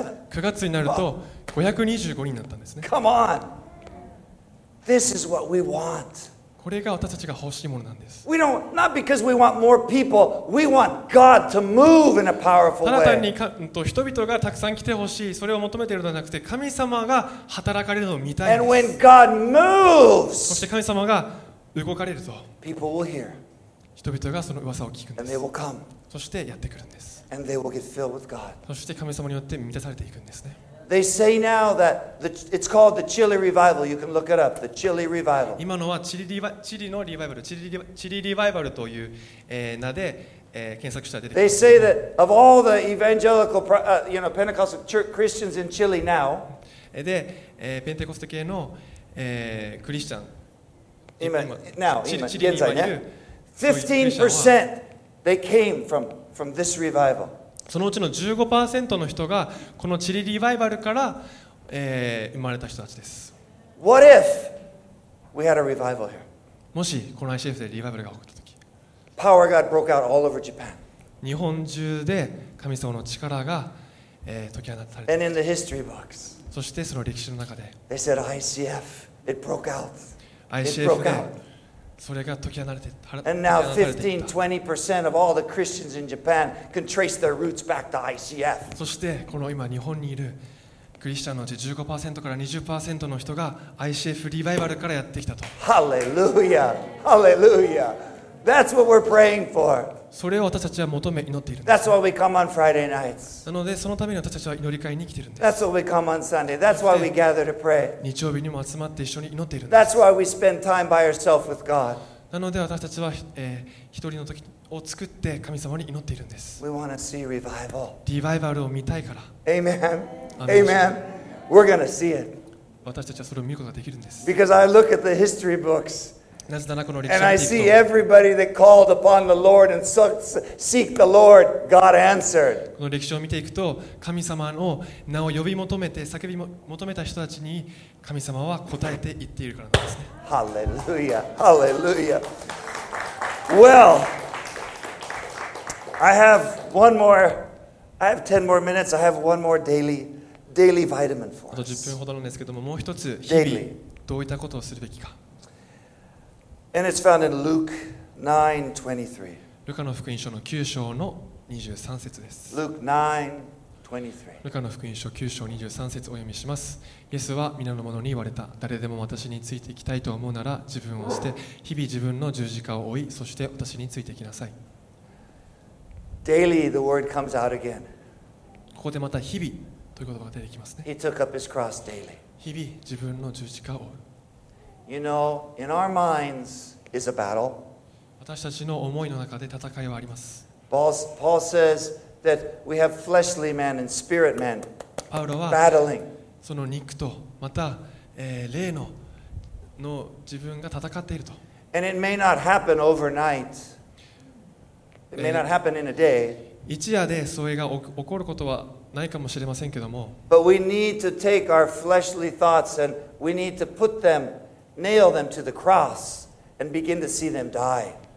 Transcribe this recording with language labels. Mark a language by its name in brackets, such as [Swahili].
[Japanese] 9月になると525人になったんですね。 [English] Come on. This is what we want. [Japanese] これが私たちが欲しいものなんです。 [English] We don't, not because we want more people, we want God to move in a powerful way. [Japanese] ただ単に人々がたくさん来てほしい、それを求めているのではなくて、神様が働かれるのを見たいです。 [English] And when God moves, [Japanese] そして神様が動かれると、 [English] people will hear. [Japanese] 人々がその噂を聞くんです。 [English] And they will come. [Japanese] そしてやってくるんです。 [English] And they will get filled with God. [Japanese] そして神様によって満たされていくんですね。 [English] They say now that the, it's called the Chile Revival. You can look it up. The Chile Revival. [Japanese] 今のはチリのリバイバル、チリリバイバルという、名で、検索したら出てきます。 [English] They say that of all the evangelical, you know, Pentecostal church, Christians in Chile now, [Japanese] で、ペンテコステ系の、クリスチャン、今、現在ね、 [English] 15% they came from this revival. [Japanese] そのうちの 15% の人がこのチリリバイバルから、生まれた人たちです。 [English] What if we had a revival here? [Japanese] もしこの ICF でリバイバルが起こったとき、 [English] Power God broke out all over Japan. [Japanese] 日本中で神様の力が、解き放たれた。 [English] And in the history books, [Japanese] そしてその歴史の中で、 [English] They said ICF, it broke out. [Japanese] ICF でそれが解き放たれていった。 [English] And now 15-20% of all the Christians in Japan can trace their roots back to ICF. [Japanese] そしてこの今日本にいるクリスチャンのうち 15% から 20% の人が ICF リバイバルからやってきたと。 [English] Hallelujah! Hallelujah! That's what we're praying for. [Japanese] それを私たちは求め祈っているんです。 [English] That's why we come on Friday nights. [Japanese] なのでそのために私たちは祈り会に来ているんです。 [English] That's why we come on Sunday. That's why we gather to pray. [Japanese] 日曜日にも集まって一緒に祈っているんです。 [English] That's why we spend time by ourselves with God. [Japanese] なので私たちは、一人の時を作って神様に祈っているんです。 [English] We want to see revival. [Japanese] リバイバルを見たいから。 [English] Amen. Amen. We're going to see it. [Japanese] 私たちはそれを見ることができるんです。 [English] Because I look at the history books. [Japanese] なぜならこの歴 [English] 史 and I see everybody that called upon the Lord and seek the Lord, God answered. [Japanese] この歴史を見ていくと、神様の名を呼び求めて叫び求めた人たちに神様は答えていっているからなんですね。 [English] Hallelujah, Hallelujah. Well, I have one more. I have 10 more minutes. I have one more daily vitamin for us. [Japanese] あと10分ほどなんですけども、もう一つ日々どういったことをするべきか。 [English] And it's found in Luke 9:23. [Japanese] ルカの福音書の9章の23節です。 [English] Luke 9:23. [Japanese] ルカの福音書9章23節をお読みします。イエスは皆の者に言われた。誰でも私についていきたいと思うなら自分を捨て、日々自分の十字架を追い、そして私についていきなさい。 [English] Daily the word comes out again. [Japanese] ここでまた日々という言葉が出てきますね。 [English] He took up his cross daily. [Japanese] 日々自分の十字架を追う。 [English] You know, in our minds is a battle. [Japanese] 私たちの思いの中で戦いはあります。 [English] Paul says that we have fleshly men and spirit men battling. [Japanese] その肉とまた、霊の自分が戦っていると。 [English] And it may not happen overnight. It may not happen in a day. [Japanese] 一夜でそれが起こることはないかもしれませんけども。 [English] But we need to take our fleshly thoughts and we need to put them. Nail them to the cross and begin to see them die.